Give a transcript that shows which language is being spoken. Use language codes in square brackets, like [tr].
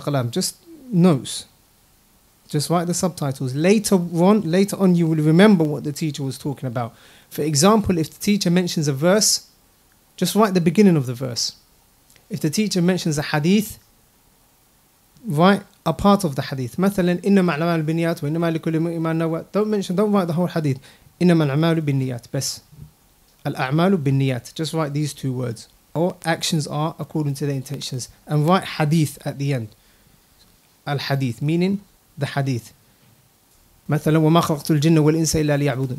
[en] Just notes. Just write the subtitles. Later on, you will remember what the teacher was talking about. For example, if the teacher mentions a verse, just write the beginning of the verse. If the teacher mentions a hadith, write a part of the hadith. [ar] مثلاً إنما الأعمال بالنيات وإنما لكل امرئ ما نوى. [en] Don't write the whole hadith. [ar] إنما الأعمال بالنيات. بس الأعمال بالنيات. [en] Just write these two words. Or actions are according to the intentions. And write hadith at the end. Al hadith, meaning the hadith. [ar] مثلاً وما خلقت الجن والإنس إلا ليعبدون.